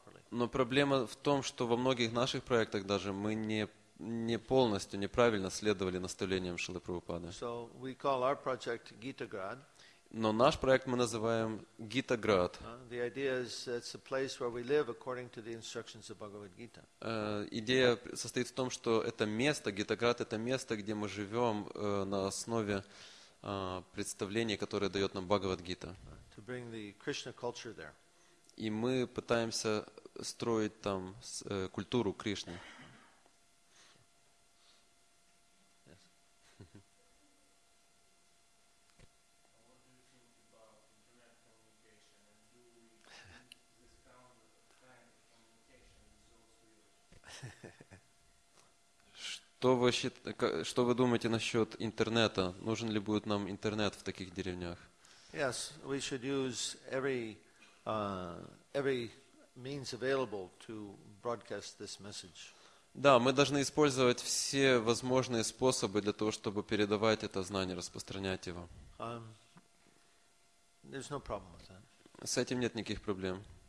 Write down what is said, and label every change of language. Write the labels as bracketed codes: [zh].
[ru] Но проблема в том, что во многих наших проектах даже мы не полностью, неправильно следовали наставлениям Шрилы Прабхупады. [en] So we call our project Gitagrad. [ru] Но наш проект мы называем Гитаград. [en] The idea is it's a place where we live according to the instructions of Bhagavad Gita. [ru] Идея состоит в том, что это место, Гитаград, это место, где мы живем на основе представлений, которые дает нам Бхагавад Гита. [en] To bring the Krishna culture there. [ru] И мы пытаемся строить там культуру Кришны. Что вы думаете насчет интернета? Нужен ли будет нам интернет в таких деревнях? [en] Yes, we should use every means available to broadcast this message. [ru] Да, мы должны использовать все возможные способы для того, чтобы передавать это знание, распространять его. [en] There's no problem with that. [ru] С этим нет никаких проблем.